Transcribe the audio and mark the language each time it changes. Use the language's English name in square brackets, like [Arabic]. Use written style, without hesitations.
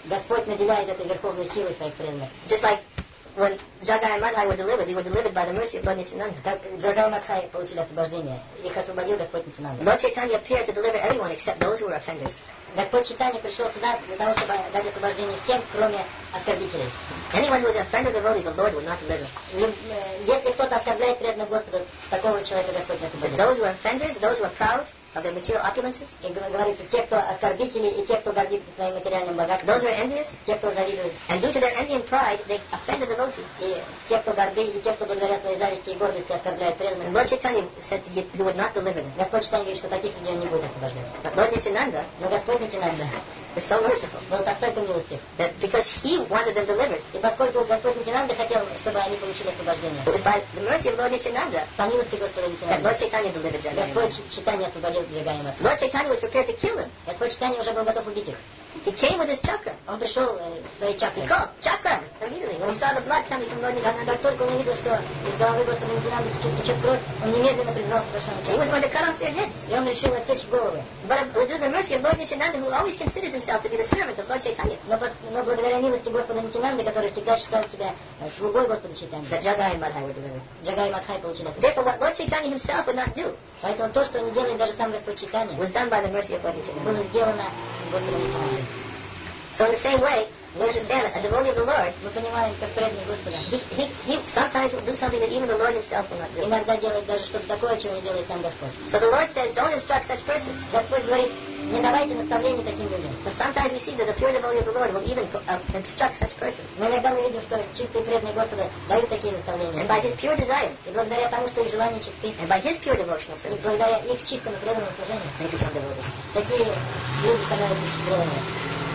[Russian] Господь наделяет этой верховной силой своих преданных. [English] Just like when Jagai and Madhai were delivered, they were delivered by the mercy of Lord Nityananda. [Russian] Как Джагай и Мадхай получили освобождение, их освободил Господь Нитянанда. [English] Lord Chaitanya appeared to deliver everyone except those who were offenders. [Russian] Господь Чайтанья пришел сюда для того, чтобы дать освобождение всем, кроме оскорбителей. [English] Anyone who is an offender of the devotee, the Lord will not deliver. [Russian] Если кто-то оскорбляет преданного Господа, такого человека Господь не освободит. [English] So those who are offenders, those who are proud of their material opulences. [Russian] И говорится, те, кто оскорбители, и те, кто гордится своим материальным богатством. [English] Those who are envious. [Russian] Те, кто завидует. [English] And due to their envy and pride, they offended the devotee. [Russian] И те, кто горды, и те, кто благодаря своей зависти и гордости оскорбляет преданных. [English] Lord Chaitanya said he would not deliver them. [Russian] Господь Чайтанья говорит, что таких людей он не будет освобождать. [English] But Lord Nityananda. [Russian] Но Господь Нитянанда. [English] Is so merciful. That because he wanted them delivered. [Russian] И поскольку Господь Нитянанда хотел, чтобы они получили освобождение. [English] It was by the mercy of Lord Nityananda. [Russian] По милости Господа Нитянанда. [English] That Lord Chaitanya delivered Jagannatha. [Russian] Господь Чайтанья освободил Джагайнатху. [English] Lord Chaitanya was prepared to kill him. [Russian] Господь Чайтанья уже был готов убить их. [English] He came with his chakra. [Russian] Он пришел своей чакрой. [English] He called chakra immediately. When he saw the blood coming from Lord Nityananda. [Russian] Настолько он увидел, что из головы Господа Нитянанда течет кровь, он немедленно призвал совершенно [English] чакру. He was going to cut off their heads. [Russian] И он решил отсечь головы. [English] But with the mercy of Lord Nityananda, who always considers himself to be the servant of Lord Chaitanya. [Russian] Но благодаря милости Господа Нитянанды, который всегда считал себя слугой Господа Чайтаньи. [English] That Jagai and Madhai were delivered. [Russian] Jagai and Madhai получили это. [English] Therefore, what Lord Chaitanya himself would not do. [Russian] Поэтому то, что не делает даже сам Господь Чайтанья, [English] was done by the mercy of Lord Nityananda. [Russian] Было сделано Господом Нитянандой. [English] So in the same way, Lord Nityananda, a devotee of the Lord, [Russian] мы понимаем, как преданный Господа. [English] He sometimes will do something that even the Lord himself will not do. [Russian] Иногда делает даже что-то такое, чего не делает сам Господь. [English] So the Lord says, don't instruct such persons. [Russian] Господь говорит, не давайте наставления таким людям. [English] But sometimes we see that a pure devotee of the Lord will even instruct such persons. [Russian] Но иногда мы видим, что чистые преданные Господа дают такие наставления. [English] And by his pure desire. [Russian] И благодаря тому, что их желание чисты. [English] And by his pure devotional service. [Russian] И благодаря их чистому преданному служению. [English] They become devotees. [Russian] Такие люди становятся чистыми.